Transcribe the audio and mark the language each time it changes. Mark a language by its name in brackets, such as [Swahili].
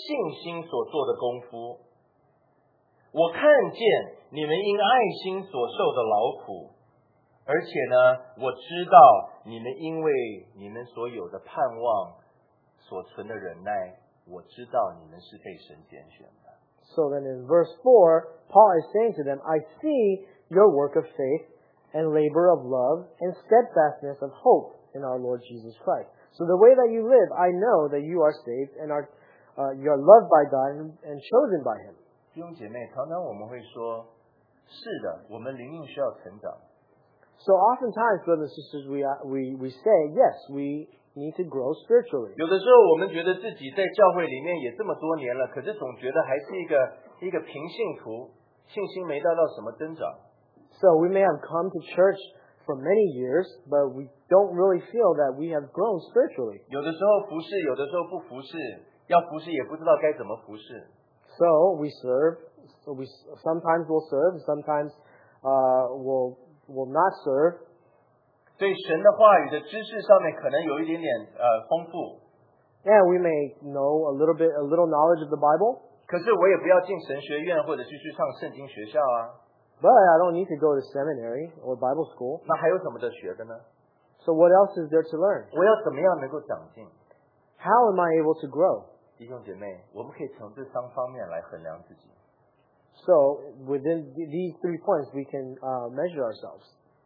[Chinese] 我知道你们因信心所做的功夫, 我看见你们因爱心所受的劳苦, 而且呢, 我知道你们因为你们所有的盼望所存的忍耐, 我知道你们是被神拣选的。 [English] So then in verse 4, Paul is saying to them, I see your work of faith and labor of love and steadfastness of hope in our Lord Jesus Christ. So the way that you live, I know that you are saved and are you are loved by God and chosen by Him. [Chinese] 弟兄姐妹, 常常我们会说, 是的, 我们灵命需要成长。 [English] So oftentimes, brothers and sisters, we say, yes, we need to grow spiritually. [Chinese] 有的时候我们觉得自己在教会里面也这么多年了, 可是总觉得还是一个平信徒, 信心没达到什么增长。 [English] So we may have come to church for many years, but we don't really feel that we have grown spiritually. [Chinese] 有的时候服侍, 有的时候不服侍, 要服侍也不知道该怎么服侍。 [English] So we serve, so we sometimes will serve, sometimes will not serve. [Chinese] 对神的话语的知识上面可能有一点点, 丰富。 [English] And we may know a little knowledge of the Bible. [Chinese] 可是我也不要进神学院或者是去上圣经学校啊。 [English] But I don't need to go to seminary or Bible school. [Chinese] 那还有什么的学的呢? [English] So what else is there to learn? [Chinese] 我要怎么样能够长进? [English] How am I able to grow? [Chinese] 弟兄姐妹, 我们可以从这三方面来衡量自己。 [English] So within these three points, we can measure ourselves.